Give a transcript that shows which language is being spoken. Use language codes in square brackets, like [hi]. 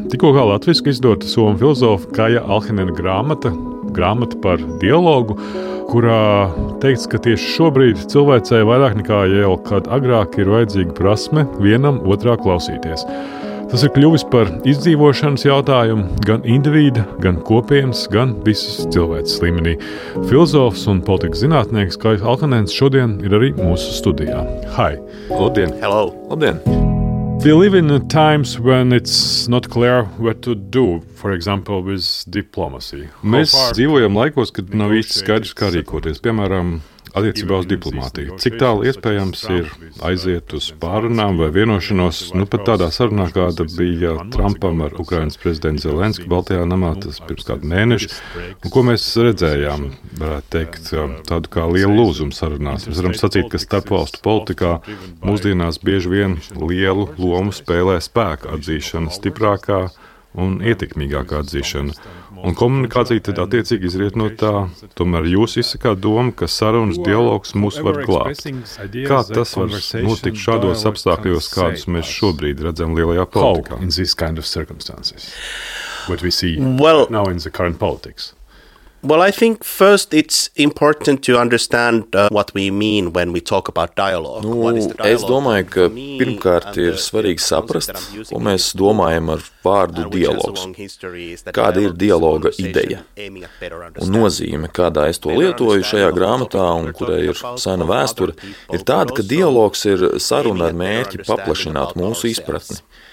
[lv] Tikko kā latviski izdota somu filozofa Kaija Alhenena grāmata par dialogu, kurā teikts, ka tieši šobrīd cilvēcei vairāk nekā jau kad agrāk ir vajadzīga prasme vienam otrā klausīties. Tas ir kļuvis par izdzīvošanas jautājumu gan individa, gan kopienas, gan visas cilvēces līmenī. Filozofs un politikas zinātnieks Kaijs Alhenens šodien ir arī mūsu studijā. Hai! Labdien! [en] Hello! [lv] Labdien! [en] We live in times when it's not clear what to do, for example, with diplomacy. [lv] Mēs dzīvojam laikos, kad nav īsti skaidrs, kā rīkoties. Piemēram, attiecībā uz diplomātiju. Cik tālu iespējams ir aiziet uz pārunām vai vienošanos? Nu, pat tādā sarunā, kāda bija Trumpam ar Ukrainas prezidentu Zelensku Baltajā namā, tas pirms kādu mēnešu. Un ko mēs redzējām, varētu teikt, tādu kā lielu lūzumu sarunās. Mēs varam sacīt, ka starpvalstu politikā mūsdienās bieži vien lielu lomu spēlē spēka atzīšana, stiprākā un ietekmīgākā atzīšana. Un komunikācija tad attiecīgi izriet no tā, tomēr jūs izsakāt domu, ka sarunas dialogs mūs var glābt. Kā tas var notikt šādos apstākļos, kādus mēs šobrīd redzam lielajā politikā? [en] How in this kind of circumstances? What we see well, now in the current politics? Well, I think first it's important to understand what we mean when we talk about dialogue. [lv] Nu, es domāju, ka pirmkārt ir svarīgi saprast, ko mēs domājam ar vārdu dialogs. Kāda ir dialoga ideja? Un nozīme, kādā es to lietoju šajā grāmatā un kurai ir sena vēsture, ir tāda, ka dialogs ir saruna ar mērķi paplašināt mūsu izpratni.